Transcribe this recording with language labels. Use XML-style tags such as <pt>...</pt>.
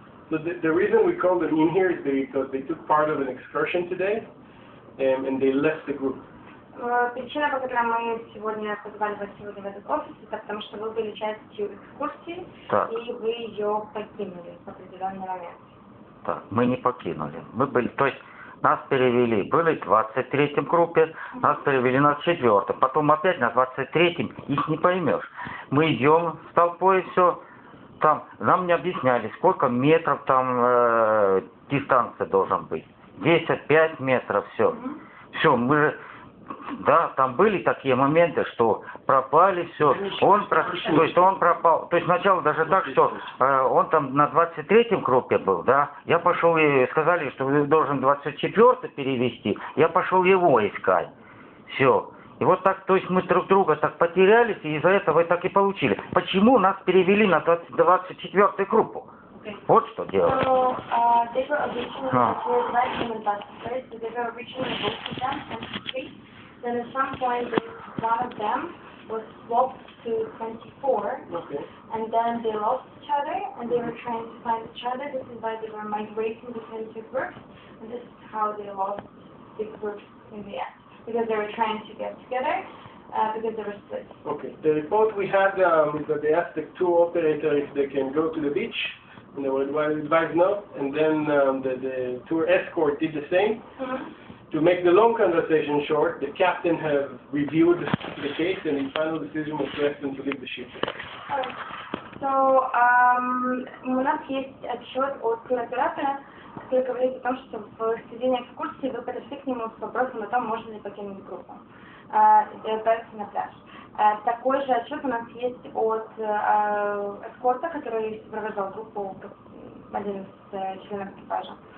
<en>So the reason we called them in here is because they took part of an excursion today, and they left the group.</en> <ru>Причина, по которой мы сегодня позвали вас сегодня в этот офис, это потому что вы были частью экскурсии, так. И вы ее покинули в определенный момент. Так, мы не покинули. Мы были, то есть нас перевели, были в 23-м группе, нас перевели на 4-м, потом опять на 23-м, их не поймешь. Мы идем с толпой, все. Там нам не объясняли, сколько метров там дистанция должен быть. 10-5 метров, все. Mm-hmm. Все, мы же, да, там были такие моменты, что пропали, все. То есть он пропал. То есть сначала даже так, что он там на 23-м группе был, да. Я пошел, сказали, что должен 24-й перевести. Я пошел его искать. Все. И вот так, то есть мы друг друга так потерялись, и из-за этого и так и получили. Почему нас перевели на 24-ю группу?</ru> <en>Okay.</en> <ru>Вот что делать.</ru> <en>So, they were originally put in the bus, so they were originally both of them, 23. Then at some point, one of them was swapped to 24. Okay. And then they lost each other, and they were trying to find each other. This is why they were migrating between two groups. And this is how they lost the group in the end. Because they were trying to get together, because they were split. Okay. The report we had is that they asked the tour operator if they can go to the beach, and they were advised no, and then the tour escort did the same. Mm-hmm. To make the long conversation short, the captain has reviewed the case, and his final decision was to ask them to leave the ship.</en> <ru>So, у нас есть отчет от туроператора, который говорит о том, что в середине экскурсии вы подошли к нему с вопросом о том, можно ли покинуть группу и отправиться на пляж. Такой же отчет у нас есть от эскорта, который сопровождал группу, один из членов экипажа.</ru>